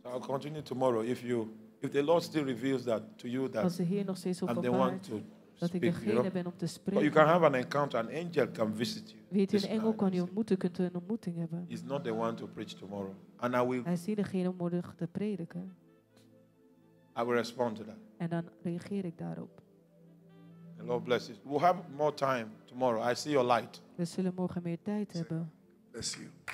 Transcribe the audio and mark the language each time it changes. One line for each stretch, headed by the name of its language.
English: I'll continue tomorrow if the Lord still reveals that to you that.
Dutch: Als de Heer nog steeds openbaart. Dat ik degene ben om te spreken.
English: But you can have an encounter, an angel can visit you.
Dutch: Weet u, een engel kan je ontmoeten, kunt u een ontmoeting hebben.
English: He's not the one to preach tomorrow, and I will.
Dutch: Hij is niet degene om morgen te prediken.
English: I will respond to that.
Dutch: En dan reageer ik daarop.
English: The Lord bless you. We'll have more time tomorrow. I see your light.
Dutch: We zullen morgen meer tijd hebben.
English: Bless you.